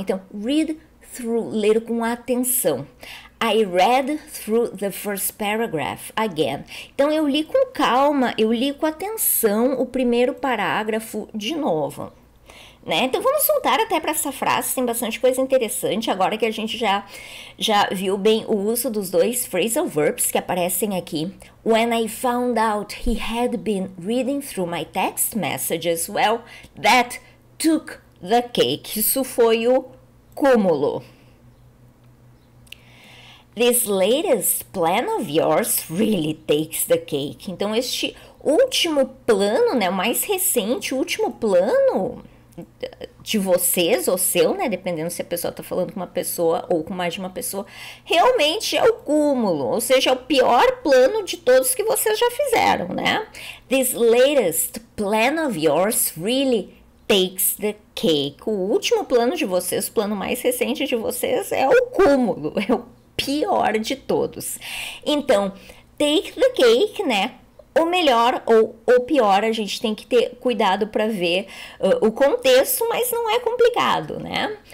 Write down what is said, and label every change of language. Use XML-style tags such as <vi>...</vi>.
<pt>Então,</pt> <en>read through,</en> <pt>ler com atenção.</pt> <en>I read through the first paragraph again.</en> <pt>Então eu li com calma, eu li com atenção o primeiro parágrafo de novo, né? Então vamos voltar até para essa frase, tem bastante coisa interessante agora que a gente já viu bem o uso dos dois phrasal verbs que aparecem aqui.</pt> <en>When I found out he had been reading through my text messages, well, that took the cake.</en> <pt>Isso foi o cúmulo.</pt> <en>This latest plan of yours really takes the cake.</en> <pt>Então, este último plano, né, o mais recente, o último plano de vocês ou seu, né, dependendo se a pessoa está falando com uma pessoa ou com mais de uma pessoa, realmente é o cúmulo, ou seja, é o pior plano de todos que vocês já fizeram, né?</pt> <en>This latest plan of yours really takes the cake.</en> <pt>O último plano de vocês, o plano mais recente de vocês é o cúmulo, é o pior de todos. Então, take the cake, né? O melhor ou o pior, a gente tem que ter cuidado para ver o contexto, mas não é complicado, né?</pt>